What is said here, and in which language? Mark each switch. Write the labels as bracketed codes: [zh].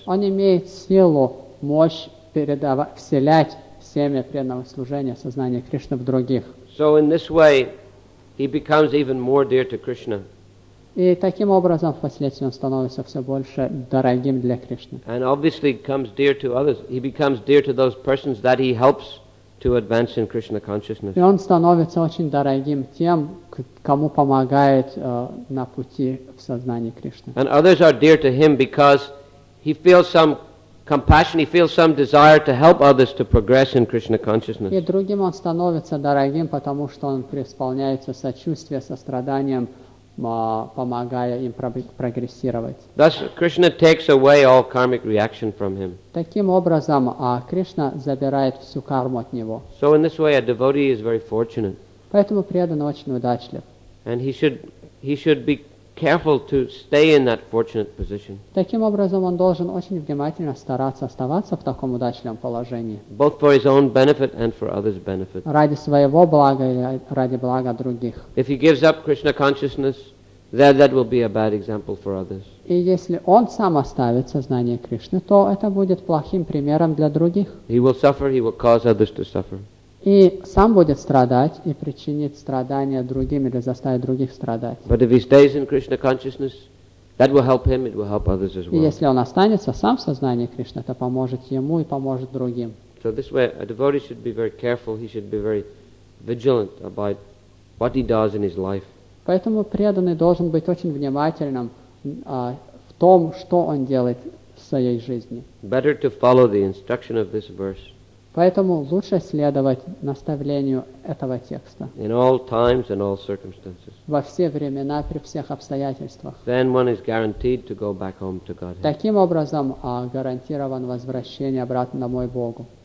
[ru] Он имеет силу, мощь передавать, вселять семя преданного служения, сознание Кришны в других. [en] So in this way, he becomes even more dear to Krishna. [ru] И таким образом впоследствии он становится все больше дорогим для Кришны. [en] And obviously comes dear to others. He becomes dear to those persons that he helps to advance in Krishna consciousness. [ru] И он становится очень дорогим тем, кому помогает на пути в сознании Кришны. [en] And others are dear to him because he feels some compassion, he feels some desire to help others to progress in Krishna consciousness. [ru] И другим он становится дорогим, потому что он преисполняется сочувствия, состраданием, помогая им прогрессировать. [en] Thus, Krishna takes away all karmic reaction from him. [ru] Таким образом, Кришна забирает всю карму от него. [en] So in this way, a devotee is very fortunate. [ru] Поэтому преданный очень удачлив. [en] And he should be careful to stay in that fortunate position. [ru] Таким образом, он должен очень внимательно стараться оставаться в таком удачном положении. [en] Both for his own benefit and for others' benefit. [ru] Ради своего блага или ради блага других. [en] If he gives up Krishna consciousness, then that will be a bad example for others. [ru] И если он сам оставит сознание Кришны, то это будет плохим примером для других. [en] He will suffer, he will cause others to suffer. [ru] И сам будет страдать и причинит страдания другим или заставит других страдать. [en] But if he stays in Krishna consciousness, that will help him, it will help others as well. [ru] И если он останется сам в сознании Кришны, это поможет ему и поможет другим. [en] So this way a devotee should be very careful, he should be very vigilant about what he does in his life. [ru] Поэтому преданный должен быть очень внимательным в том, что он делает в своей жизни. [en] Better to follow the instruction of this verse. [ru] Поэтому лучше следовать наставлению этого текста. [en] In all times and all circumstances. [ru] Во все времена, при всех обстоятельствах. [en] Then one is guaranteed to go back home to Godhead. [ru] Таким образом, гарантирован возвращение обратно домой Богу.